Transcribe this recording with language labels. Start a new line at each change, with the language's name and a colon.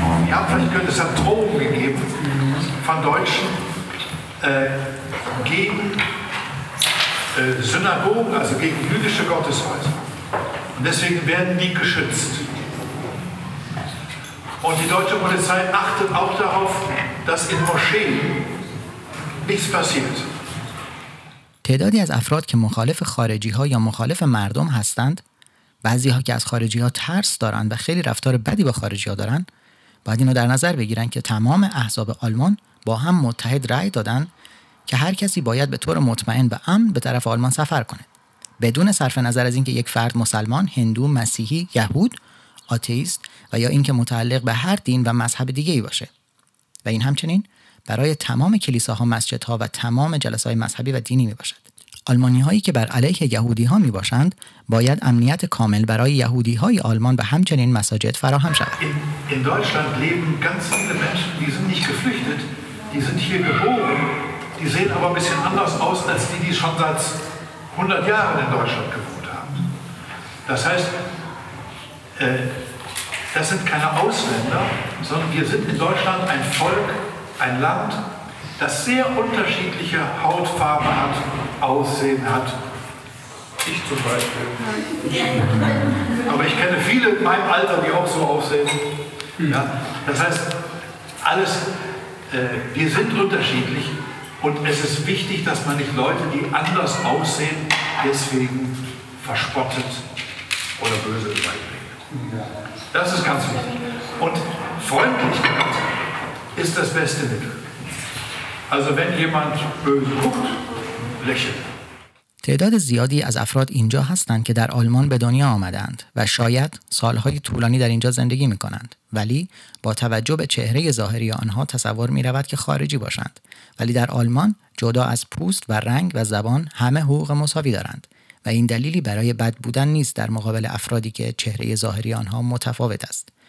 German: Ja, vielleicht könnte es ja Drohungen gegeben von Deutschen gegen Synagogen, also gegen jüdische Gotteshäuser. Und deswegen werden die geschützt. Und die deutsche Polizei achtet auch darauf, dass in Moscheen nichts passiert.
Persian: تعدادی از افراد که مخالف خارجی ها یا مخالف مردم هستند، بعضی ها که از خارجی ها ترس دارند و خیلی رفتار بدی با خارجی ها دارند، باید اینو در نظر بگیرن که تمام احزاب آلمان با هم متحد رأی دادن که هر کسی باید به طور مطمئن و امن به طرف آلمان سفر کنه، بدون صرف نظر از اینکه یک فرد مسلمان، هندو، مسیحی، یهود، آتئیست و یا اینکه متعلق به هر دین و مذهب دیگه ای باشه. و این همچنین برای تمام کلیساها، مسجدها و تمام جلسات مذهبی و دینی می باشد. آلمانی هایی که بر علیه یهودی ها می باشند باید امنیت کامل برای یهودی های آلمان و همچنین مساجد فراهم شود.
German: In Deutschland leben ganz viele Menschen, die sind nicht geflüchtet, die sind hier geboren, die sehen aber ein bisschen anders aus als die schon seit 100 Jahren in Deutschland gewohnt haben. Das heißt, das sind keine Ausländer, sondern wir sind in Deutschland ein Volk, ein Land, das sehr unterschiedliche Hautfarbe hat, Aussehen hat. Ich zum Beispiel. Aber ich kenne viele in meinem Alter, die auch so aussehen. Ja, das heißt, alles, wir sind unterschiedlich und es ist wichtig, dass man nicht Leute, die anders aussehen, deswegen verspottet oder böse beleidigt. Das ist ganz wichtig. Und Freundlichkeit ist das beste Mittel. Also wenn jemand böse guckt, lächelt.
Persian: تعداد زیادی از افراد اینجا هستند که در آلمان به دنیا آمدند و شاید سالهای طولانی در اینجا زندگی می کنند، ولی با توجه به چهره ظاهری آنها تصور می رود که خارجی باشند، ولی در آلمان جدا از پوست و رنگ و زبان همه حقوق مساوی دارند و این دلیلی برای بد بودن نیست در مقابل افرادی که چهره ظاهری آنها متفاوت است.